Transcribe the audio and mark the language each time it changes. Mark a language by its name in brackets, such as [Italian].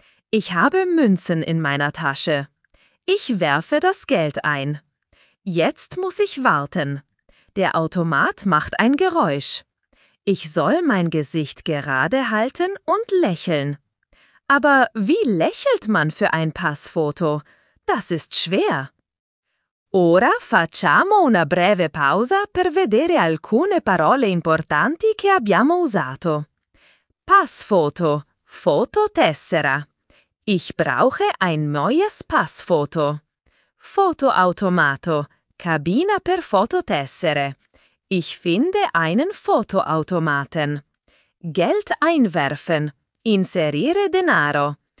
[German] Ich habe Münzen in meiner Tasche. Ich werfe das Geld ein. Jetzt muss ich warten. Der Automat macht ein Geräusch. Ich soll mein Gesicht gerade halten und lächeln. Aber wie lächelt man für ein Passfoto? Das ist schwer. [Italian] Ora facciamo una breve pausa per vedere alcune parole importanti che abbiamo usato. [German] Passfoto, Fototessera. Ich brauche ein neues Passfoto. Fotoautomato, [Italian] Cabina per Fototessere. [German] Ich finde einen Fotoautomaten. Geld einwerfen, [Italian] inserire denaro.